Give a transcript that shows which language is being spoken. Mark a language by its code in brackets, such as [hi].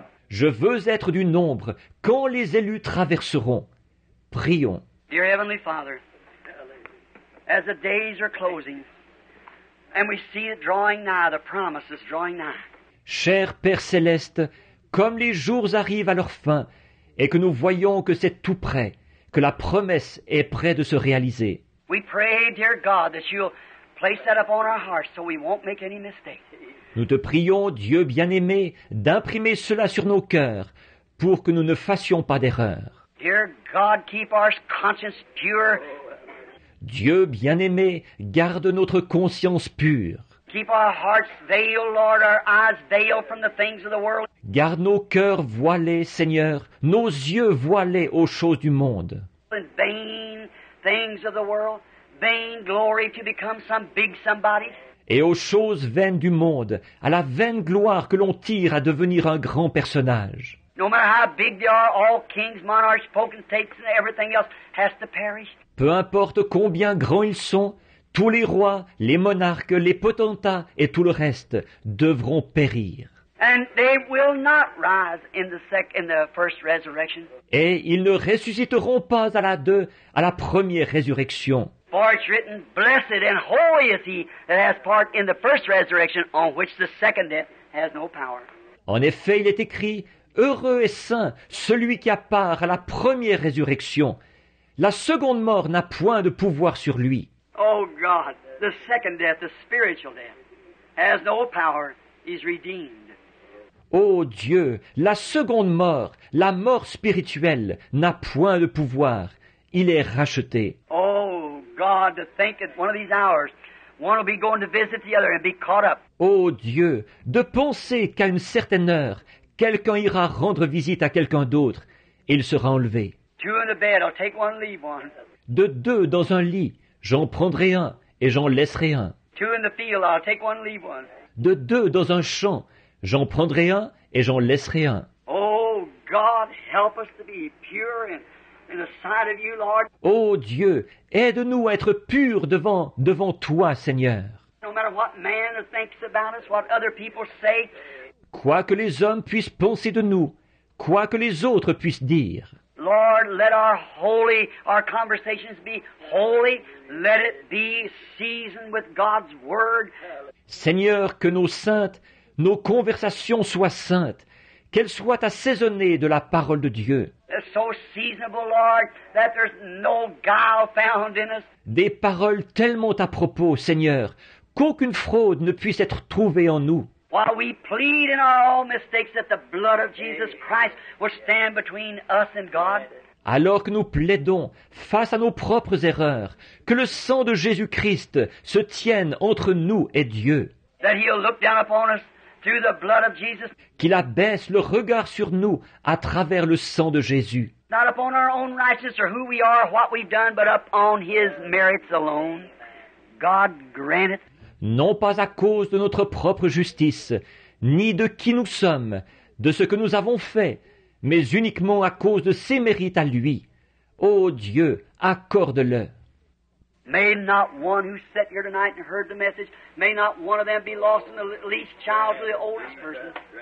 [fr] Je veux être du nombre quand les élus traverseront. Prions. [en] Dear Heavenly Father, as the days are closing, and we see it drawing nigh, the promise is drawing nigh. [fr] Cher Père Céleste, comme les jours arrivent à leur fin, et que nous voyons que c'est tout près, que la promesse est près de se réaliser. [en] We pray, dear God, that you'll place that upon our hearts so we won't make any mistake. [fr] Nous te prions, Dieu bien-aimé, d'imprimer cela sur nos cœurs pour que nous ne fassions pas d'erreur. [en] Dear God, keep our conscience pure. [fr] Dieu bien-aimé, garde notre conscience pure. [en] Keep our hearts veiled, Lord, our eyes veiled from the things of the world. [fr] Garde nos cœurs voilés, Seigneur, nos yeux voilés aux choses du monde. [en] Vain things of the world, vain glory to become some big somebody. [fr] Et aux choses vaines du monde, à la vaine gloire que l'on tire à devenir un grand personnage. [en] No matter how big they are, all kings, monarchs, potentates, and everything else has to perish. [fr] Peu importe combien grands ils sont, tous les rois, les monarques, les potentats et tout le reste devront périr. [en] And they will not rise in the first resurrection. [fr] Et ils ne ressusciteront pas à la première résurrection. [en] For it's written, blessed and holy is he that has part in the first resurrection, on which the second death has no power. [fr] En effet, il est écrit, heureux et saint celui qui a part à la première résurrection. La seconde mort n'a point de pouvoir sur lui. [en] Oh God, the second death, the spiritual death, has no power, is redeemed. [fr] Oh Dieu, la seconde mort, la mort spirituelle, n'a point de pouvoir. Il est racheté. [en] Oh God, to think at one of these hours, one will be going to visit the other and be caught up. [fr] Oh Dieu, de penser qu'à une certaine heure, quelqu'un ira rendre visite à quelqu'un d'autre et il sera enlevé. [en] Two in the bed, I'll take one, leave one. [fr] De deux dans un lit, j'en prendrai un et j'en laisserai un. [en] Two in the field, I'll take one, leave one. [fr] De deux dans un champ, j'en prendrai un et j'en laisserai un. [en] Oh God, help us to be pure in the sight of you, Lord. [fr] Oh Dieu, aide-nous à être purs devant toi, Seigneur. [en] No matter what man thinks about us, what other people say. [fr] Quoi que les hommes puissent penser de nous, quoi que les autres puissent dire. [en] Lord, let our conversations be holy. Let it be seasoned with God's word. [fr] Seigneur, que nos conversations soient saintes, qu'elles soient assaisonnées de la parole de Dieu. [en] They're so seasonable, Lord, that there's no guile found in us. [fr] Des paroles tellement à propos, Seigneur, qu'aucune fraude ne puisse être trouvée en nous. [en] While we plead in our own mistakes that the blood of Jesus Christ will stand between us and God. [fr] Alors que nous plaidons face à nos propres erreurs, que le sang de Jésus-Christ se tienne entre nous et Dieu. [en] That he'll look down upon us through the blood of Jesus. [fr] Qu'il abaisse le regard sur nous à travers le sang de Jésus. [en] Not upon our own righteousness or who we are or what we've done, but upon his merits alone. God grant it. [fr] Non pas à cause de notre propre justice, ni de qui nous sommes, de ce que nous avons fait, mais uniquement à cause de ses mérites à lui. Ô Dieu, accorde-le. [en] May not one who sat here tonight and heard the message, may not one of them be lost in the least child or the oldest person.